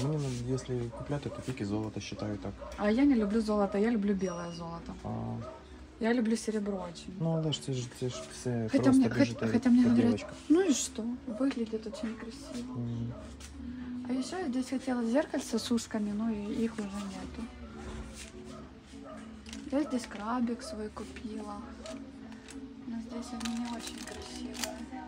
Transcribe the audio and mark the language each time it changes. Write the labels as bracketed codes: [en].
[uk] Мені, если купляти, то тільки золото считаю так. [ru] А я не люблю золото, я люблю белое золото. А... Я люблю серебро очень. [uk] Ну, але ж це ж все хотя просто біжутерія. [ru] Хотя мне говорят, девочка. Ну и что? Выглядит очень красиво. Mm. А еще я здесь хотела зеркальце с ушками, но их уже нету. Я здесь крабик свой купила. Но здесь они не очень красивые.